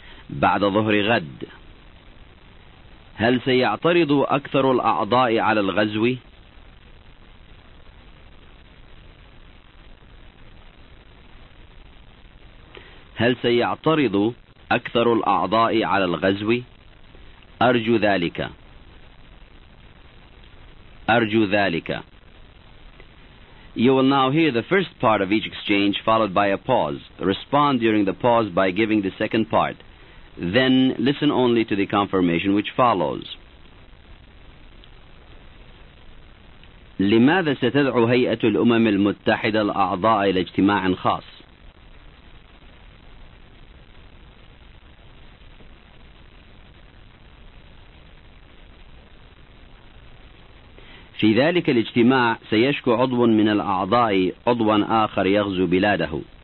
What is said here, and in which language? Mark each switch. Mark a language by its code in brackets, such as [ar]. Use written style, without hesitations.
[ar] بعد ظهر غد. هل سيعترض أكثر الأعضاء على الغزو؟ هل سيعترض أكثر الأعضاء على الغزو؟ أرجو ذلك. أرجو ذلك. [en] You will now hear the first part of each exchange followed by a pause. Respond during the pause by giving the second part. Then listen only to the confirmation which follows. [ar] لماذا ستدعو هيئة الأمم المتحدة الأعضاء إلى اجتماع خاص؟ في ذلك الاجتماع سيشكو عضو من الأعضاء عضوا آخر يغزو بلاده.